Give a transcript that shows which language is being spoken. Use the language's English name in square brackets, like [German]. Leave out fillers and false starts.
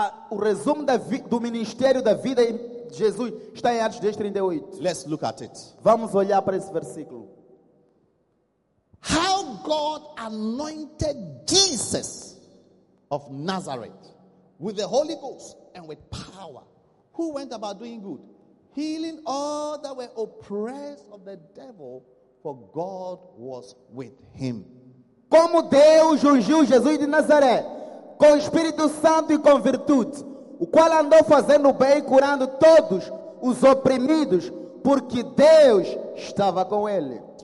[Portuguese] O resumo do ministério da vida de Jesus está em Atos 10:38. [English] Let's look at it. [Portuguese] Vamos olhar para esse versículo. [English] How God anointed Jesus of Nazareth with the Holy Ghost and with power, who went about doing good, healing all that were oppressed of the devil, for God was with him. [Portuguese] Como Deus ungiu Jesus de Nazaré com o Espírito Santo e com virtude, o qual andou fazendo o bem e curando todos os oprimidos, porque Deus estava com ele.